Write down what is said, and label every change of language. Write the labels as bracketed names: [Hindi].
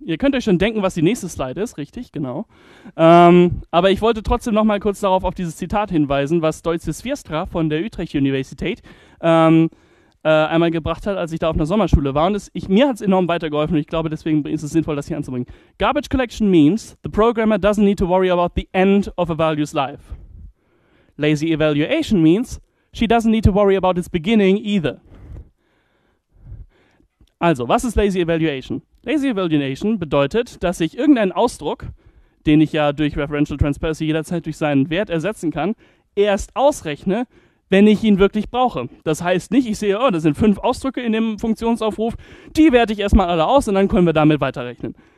[German] Ihr könnt euch schon denken, was die nächste Slide ist, richtig? Genau. Aber ich wollte trotzdem noch mal kurz darauf auf dieses Zitat hinweisen, was Dolce Zwierstra von der Utrecht Universität einmal gebracht hat, als ich da auf einer Sommerschule war. Und mir hat es enorm weitergeholfen und ich glaube, deswegen ist es sinnvoll, das hier anzubringen. [English] Garbage collection means the programmer doesn't need to worry about the end of a value's life. Lazy evaluation means she doesn't need to worry about its beginning either. [German] Also, was ist Lazy Evaluation? Lazy Evaluation bedeutet, dass ich irgendeinen Ausdruck, den ich ja durch Referential Transparency jederzeit durch seinen Wert ersetzen kann, erst ausrechne, wenn ich ihn wirklich brauche. Das heißt nicht, ich sehe, oh, da sind 5 Ausdrücke in dem Funktionsaufruf, die werte ich erstmal alle aus und dann können wir damit weiterrechnen.